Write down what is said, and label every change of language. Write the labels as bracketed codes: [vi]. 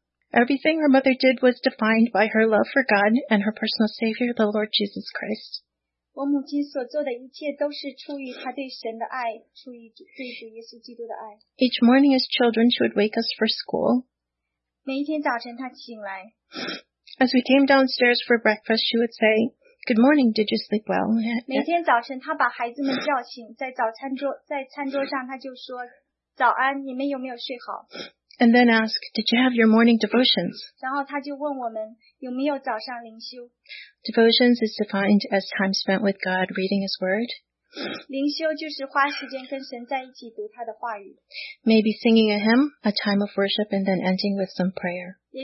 [en] Everything her mother did was defined by her love for God and her personal Savior, the Lord Jesus Christ. [zh] 我母亲所做的一切都是出于她对神的爱，出于对主耶稣基督的爱。 [en] Each morning as children, she would wake us for school. [zh] 每一天早晨她醒来。 [en] As we came downstairs for breakfast, she would say, "Good morning, did you sleep well?" [zh] 每天早晨她把孩子们叫醒，在餐桌上她就说，早安，你们有没有睡好？ [en] And then ask, "Did you have your morning devotions?" [zh] 然后她就问我们，有没有早上灵修？ [en] Devotions is defined as time spent with God reading His Word. [zh] 灵修就是花时间跟神在一起读他的话语。 [en] Maybe singing a hymn, a time of worship, and then ending with some prayer.